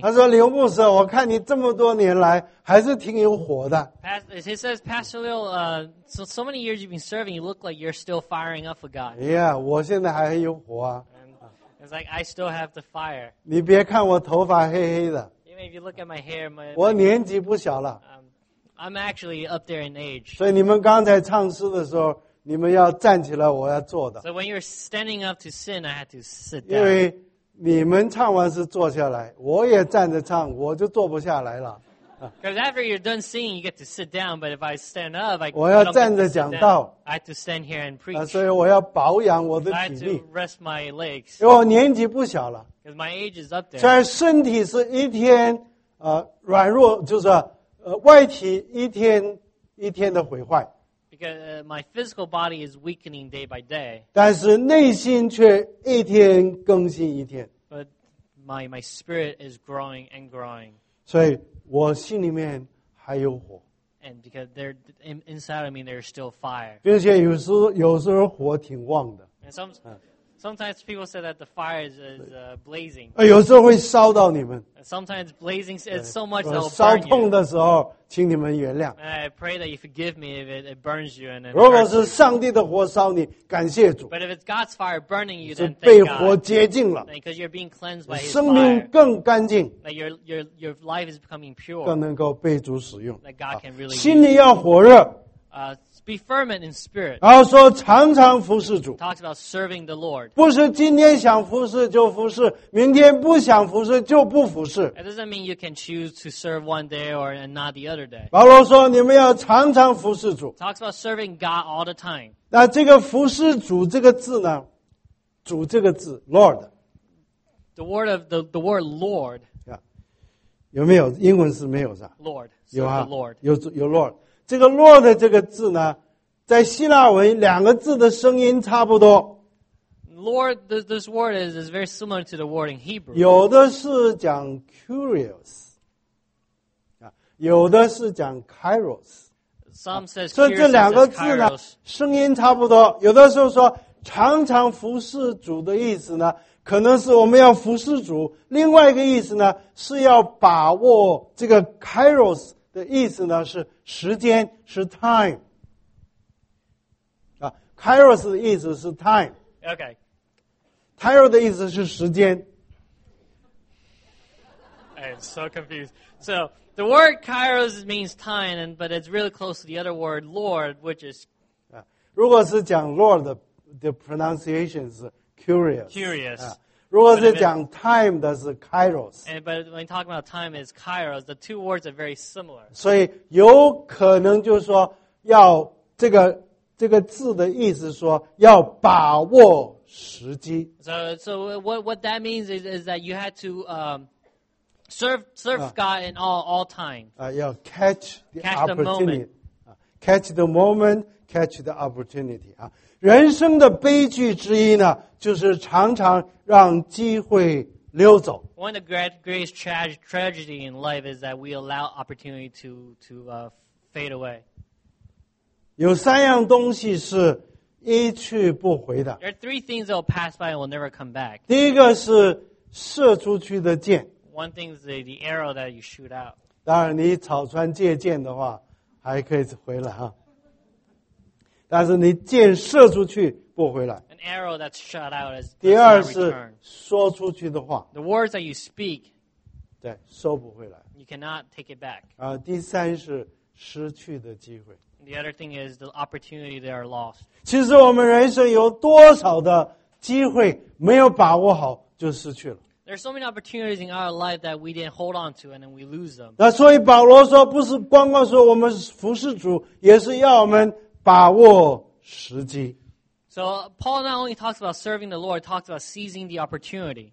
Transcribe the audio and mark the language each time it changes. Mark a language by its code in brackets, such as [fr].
[zh] 他说刘牧师，我看你这么多年来还是挺有火的。 [en] He says, Pastor Leo, so many years you've been serving, you look like you're still firing up for God. [zh] Yeah, 我现在还有火啊。 [en] It's like I still have the fire. [zh] 你别看我头发黑黑的。 [en] Even if you look at my hair, my [zh] 我年纪不小了。 [en] I'm actually up there in age. [zh] 所以你们刚才唱诗的时候，你们要站起来，我要坐的。 [en] So when you're standing up to sing, I had to sit down. [zh] 因为你们唱完是坐下来，我也站着唱，我就坐不下来了。 [en] Because after you're done singing, you get to sit down. But if I stand up, I [zh] 我要站着讲道。 [en] I have to stand here and preach. [zh] 所以我要保养我的体力。 [en] I have to rest my legs. [zh] 因为我年纪不小了。 [en] Because my age is up there. [zh] 虽然身体是一天软弱，就是。外体一天一天的毁坏。 [en] Because my physical body is weakening day by day. [zh] 但是内心却一天更新一天。 [en] But my spirit is growing and growing. [zh] 所以我心里面还有火。 [en] And because there inside of me there's still fire. [zh] 并且有时候火挺旺的。 [en] And sometimes people say that the fire is blazing. [zh] 有时候会烧到你们。 [en] Sometimes blazing is so much that it'll burn you. [zh] 烧痛的时候，请你们原谅。 [en] I pray that you forgive me if it burns you and it hurts. [zh] 如果是上帝的火烧你，感谢主。 [en] But if it's God's fire burning you, then thank God. [zh] 是被火洁净了。 [en] Because you're being cleansed by His fire. [zh] 生命更干净。 [en] That your life is becoming pure. [zh] 更能够被主使用。 [en] That God can really use. [zh] 心里要火热。 [en] Be fervent in spirit. [zh] 然后说常常服侍主。 [en] Talks about serving the Lord. [zh] 不是今天想服侍就服侍，明天不想服侍就不服侍。 [en] It doesn't mean you can choose to serve one day or not the other day. [zh] 保罗说你们要常常服侍主。 [en] Talks about serving God all the time. [zh] 那这个服侍主这个字呢？主这个字 ，Lord。 [en] The word Lord. [zh] 有没有英文是没有的 [en] ？Lord [zh] 有啊 [en] ，Lord [zh] 有 Lord。这个 Lord 这个字呢，在希腊文两个字的声音差不多。 [en] Lord, this word is very similar to the word in Hebrew. [zh] 有的是讲 Curious, 有的是讲 Kairos. [en] Some says Kairos. [zh] 所以这两个字呢，声音差不多。有的时候说常常服侍主的意思呢，可能是我们要服侍主；另外一个意思呢，是要把握这个 Kairos。的意思呢是时间是 time 啊 ，Kairos 的意思是 time。 [en] OK，Kairos [zh] 的意思是时间。 [en] I'm so confused. So the word Kairos means time, but it's really close to the other word Lord, which is [zh] 啊，如果是讲 Lord 的 pronunciation 是 curious。 [en] Curious、啊。 [zh] 如果是讲 time 的是 kairos， [en] but when talking about time is kairos， the two words are very similar。 [zh] 所以有可能就是说要这个字的意思说要把握时机。 [en] So what that means is that you had to serve God in all time。要 catch the opportunity， catch the moment， catch the opportunity 啊。 [zh] 人生的悲剧之一呢，就是常常让机会溜走。 [en] One of the greatest tragedy in life is that we allow opportunity to fade away. [zh] 有三样东西是一去不回的。 [en] There are three things that will pass by and will never come back. [zh] 第一个是射出去的箭。 [en] One thing is the arrow that you shoot out. [zh] 当然，你草船借箭的话，还可以回来啊。但是你箭射出去不回来。 [en] An arrow that's shot out is. [zh] 第二是说出去的话。 [en] The words that you speak. [zh] 对，收不回来。 [en] You cannot take it back. [zh] 第三是失去的机会。 [en] The other thing is the opportunity they are lost. [zh] 其实我们人生有多少的机会没有把握好就失去了。 [en] There are so many opportunities in our life that we didn't hold on to and then we lose them. [zh] 那所以保罗说，不是光光说我们服侍主，也是要我们。把握时机。 [en] So Paul not only talks about serving the Lord, talks about seizing the opportunity.